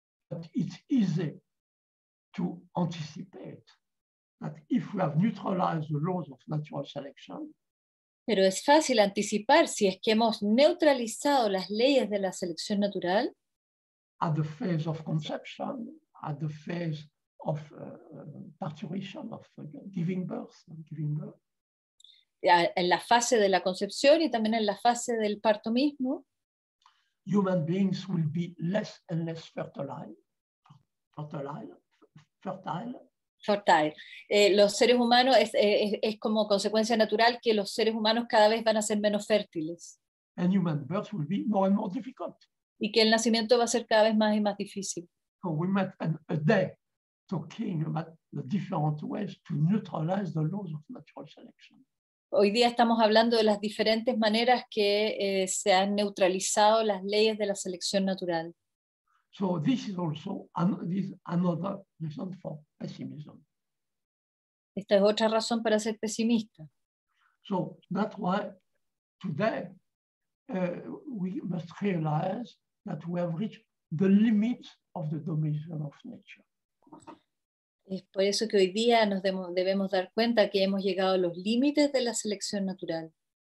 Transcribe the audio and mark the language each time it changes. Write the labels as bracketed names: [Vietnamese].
[English] But it's easy to anticipate that if we have neutralized the laws of natural selection. [Spanish] Pero es fácil anticipar si es que hemos neutralizado las leyes de la selección natural. [English] At the phase of conception, at the phase of parturition, of giving birth. [Spanish] En la fase de la concepción y también en la fase del parto mismo. [English] Human beings will be less and less fertile. [Spanish] Los seres humanos es como consecuencia natural que los seres humanos cada vez van a ser menos fértiles. [English] And human birth will be more and more difficult. [Spanish] Y que el nacimiento va a ser cada vez más y más difícil. [English] So we might spend a day talking about the different ways to neutralize the laws of natural selection. [Spanish] Hoy día estamos hablando de las diferentes maneras que se han neutralizado las leyes de la selección natural. [English] So this is also another reason for pessimism. [Spanish] Esta es otra razón para ser pesimista. [English] So that's why today we must realize that we have reached the limits of the domination of nature. [Spanish] Es por eso que hoy día nos debemos dar cuenta que hemos llegado a los límites de la selección natural.